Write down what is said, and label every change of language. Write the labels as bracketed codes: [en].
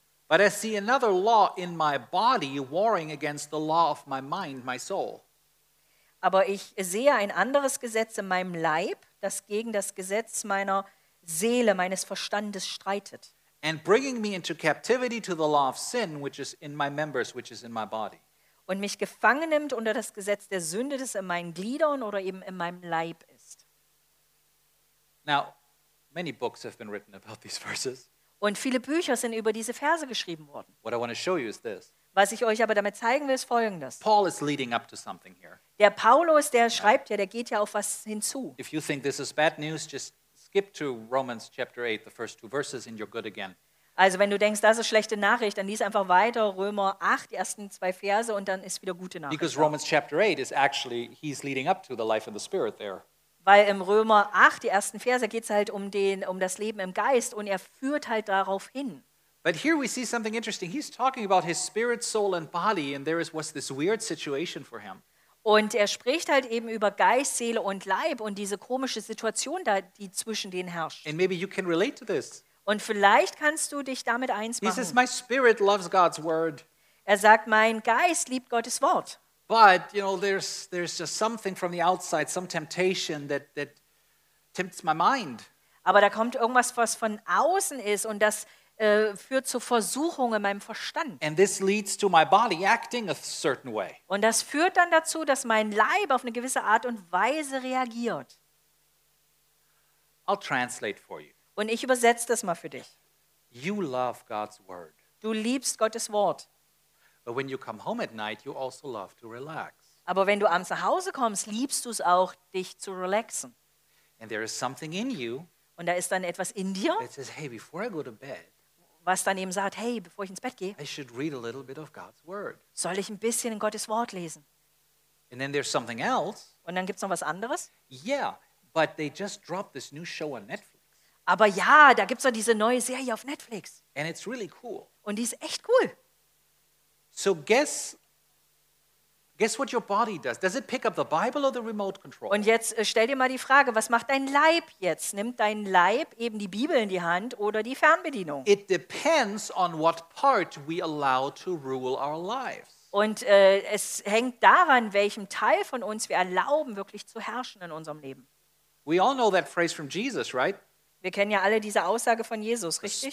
[en] But I see another law in my body warring against the law of my mind, my soul. [de] Aber ich sehe ein anderes Gesetz in meinem Leib, das gegen das Gesetz meiner Seele, meines Verstandes streitet. [en] And bringing me into captivity to the law of sin, which is in my members, which is in my body. [de] Und mich gefangen nimmt unter das Gesetz der Sünde, das in meinen Gliedern oder eben in meinem Leib ist. [en] Now, many books have been written about these verses. [de] Und viele Bücher sind über diese Verse geschrieben worden. [en] What I want to show you is this. [de] Was ich euch aber damit zeigen will, ist Folgendes. [en] Paul is leading up to something here. [de] Der Paulus, der schreibt ja, der geht ja auf was hinzu. [en] If you think this is bad news, just skip to Romans chapter 8, the first two verses, and you're good again. [de] Also wenn du denkst, das ist schlechte Nachricht, dann lies einfach weiter Römer 8, die ersten zwei Verse, und dann ist wieder gute Nachricht. [en] Because Romans chapter 8 is actually, he's leading up to the life of the Spirit there. [de] Weil im Römer 8, die ersten Verse, geht es halt um den, um das Leben im Geist und er führt halt darauf hin. [en] But here we see something interesting. He's talking about his spirit, soul and body and there was this weird situation for him. [de] Und er spricht halt eben über Geist, Seele und Leib und diese komische Situation da, die zwischen denen herrscht. [en] And maybe you can relate to this. [de] Und vielleicht kannst du dich damit eins machen. [en] He says, my spirit loves God's word. [de] Er sagt, mein Geist liebt Gottes Wort. [en] But you know, there's just something from the outside, some temptation that tempts my mind. [de] Aber da kommt irgendwas, was von außen ist, und das führt zu Versuchungen in meinem Verstand. [en] And this leads to my body acting a certain way. [de] Und das führt dann dazu, dass mein Leib auf eine gewisse Art und Weise reagiert. [en] I'll translate for you. [de] Und ich übersetze das mal für dich. [en] You love God's word. [de] Du liebst Gottes Wort. [en] But when you come home at night, you also love to relax. [de] Aber wenn du abends nach Hause kommst, liebst du es auch, dich zu relaxen. [en] And there is something in you. [de] Und da ist dann etwas in dir. [en] That says, hey, before I go to bed. [de] Was dann eben sagt, hey, bevor ich ins Bett gehe. [en] I should read a little bit of God's word. [de] Soll ich ein bisschen in Gottes Wort lesen? [en] And then there's something else. [de] Und dann gibt's noch was anderes. [en] Yeah, but they just dropped this new show on Netflix. [de] Aber ja, da gibt's doch diese neue Serie auf Netflix. [en] And it's really cool. [de] Und die ist echt cool. [en] So guess what your body does. Does it pick up the Bible or the remote control? [de] Und jetzt stell dir mal die Frage, was macht dein Leib jetzt? Nimmt dein Leib eben die Bibel in die Hand oder die Fernbedienung? [en] It depends on what part we allow to rule our lives. [de] Und es hängt daran, welchem Teil von uns wir erlauben, wirklich zu herrschen in unserem Leben. [en] We all know that phrase from Jesus, right? [de] Wir kennen ja alle diese Aussage von Jesus, richtig?